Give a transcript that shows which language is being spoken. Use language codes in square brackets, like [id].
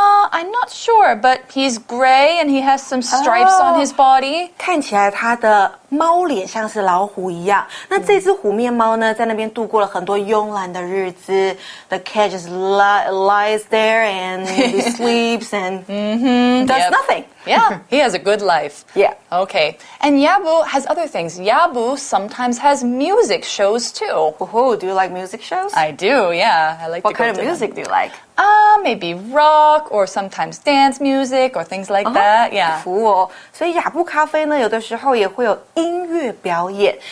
[en] I'm not sure, but he's gray and he has some stripes on his body. [zh] 看起来他的猫脸像是老虎一样。那这只虎面猫呢，在那边度过了很多慵懒的日子。 [en] The cat just lies there and he sleeps and does nothing. Yeah, he has a good life. Yeah. Okay. And Yabu has other things. Yabu sometimes has music shows too. Oh, do you like music shows? I do, yeah. I like What kind of music do you like? Maybe rock or sometimes dance music or things like that. Yeah. [zh] 服务哦。所以亚布咖啡呢，有的时候也会有音乐表演。